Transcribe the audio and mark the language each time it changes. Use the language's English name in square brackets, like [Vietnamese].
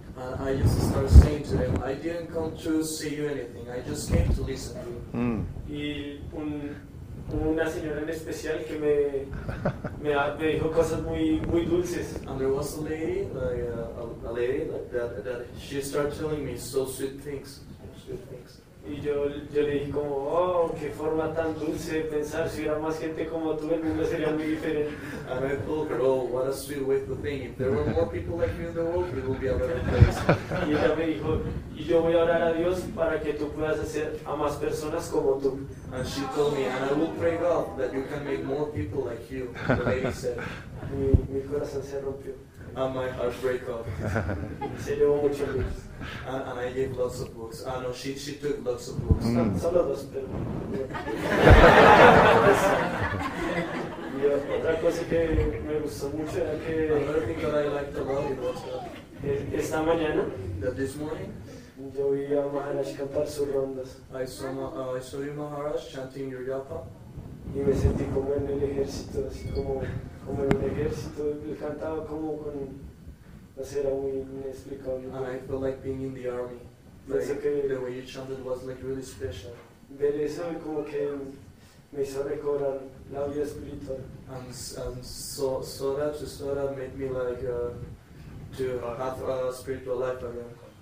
[English] I just started saying to him, I didn't come to see you anything. I just came to listen to you. And there was a lady that she started telling me so sweet things. [Spanish] Y yo le dije como, oh, qué forma tan dulce de pensar, si hubiera más gente como tú, el mundo sería muy diferente. [English] And I thought, oh, what a sweet way to think. If there were more people like me in the world, it would be a better place. [Spanish] Y ella me dijo, y yo voy a orar a Dios para que tú puedas hacer a más personas como tú. [English] And she told me, and I will pray God that you can make more people like you, the lady said. [Spanish] Mi corazón se rompió. [English] And my heart break off. [Spanish] Se llevó mucho luz. [English] And I gave lots of books. Ah, no, she took lots of books. Mm. [Spanish] Solo dos, pero... Y otra cosa que me gustó mucho era que... [English] Another thing that I liked a lot was that... [Spanish] Esta mañana... [English] That this morning... [Spanish] Yo vi a Maharaj cantar sus rondas. [English] I saw you, Maharaj, chanting your japa. [Spanish] Y me sentí como en el ejército, así como... Como en el ejército, él cantaba como con... Era muy inexplicable. [English] And I felt like being in the army. Like, the way you chanted was like really special. [Spanish] Ver eso como que me hizo recordar la vida espiritual. [English] And so that made me like to have a spiritual life again.